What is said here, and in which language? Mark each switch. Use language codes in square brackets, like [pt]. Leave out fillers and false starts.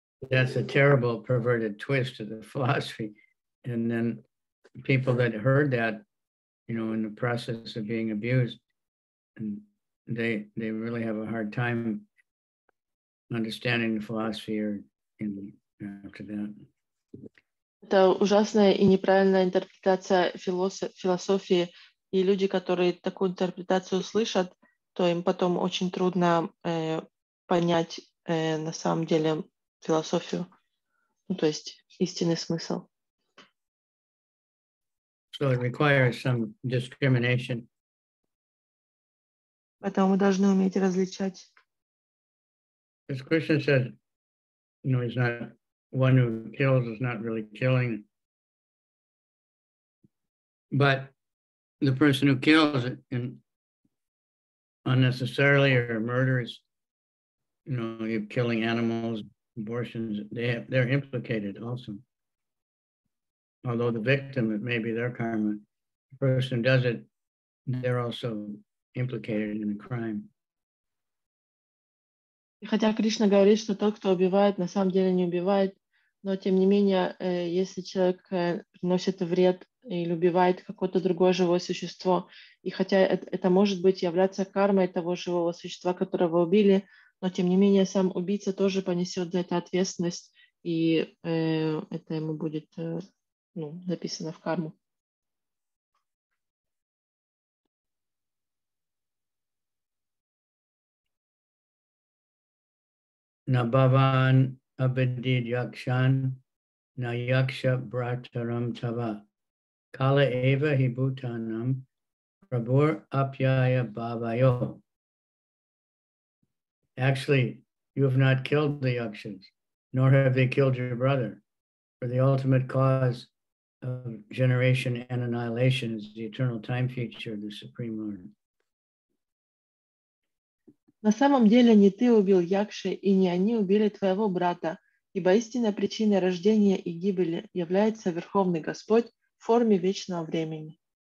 [en] That's a terrible perverted twist of the philosophy. And then people that heard that, you know, in the process of being abused, and they really have a hard time understanding the philosophy or in the, after that. [ru] Это ужасная и неправильная интерпретация философии, и люди, которые такую интерпретацию слышат, то им потом очень трудно понять на самом деле философию, ну, то есть истинный смысл. [en] So it requires some discrimination. [ru] Поэтому мы должны уметь различать. [en] As Krishna said, you know, he's not one who kills is not really killing. But the person who kills and unnecessarily or murders, you know, you're killing animals, abortions, they're implicated also. Although the victim, it may be their karma, the person who does it, they're also implicated in the crime. [ru] И хотя Кришна говорит, что тот, кто убивает, на самом деле не убивает, но тем не менее, если человек приносит вред или убивает какое-то другое живое существо, и хотя это может быть являться кармой того живого существа, которого убили, но тем не менее сам убийца тоже понесет за это ответственность, и это ему будет ну, записано в карму. [sa] На баван абидид якшан на якша братарам тава кала эва хибутанам прабур апьяя бавайо. [en] Actually, you have not killed the yakshas, nor have they killed your brother, for the ultimate cause of generation and annihilation is the eternal time future of the Supreme Lord. [ru] На самом деле не ты убил якши, и не они убили твоего брата, ибо истинная причина рождения и гибели является Верховный Господь в форме вечного времени.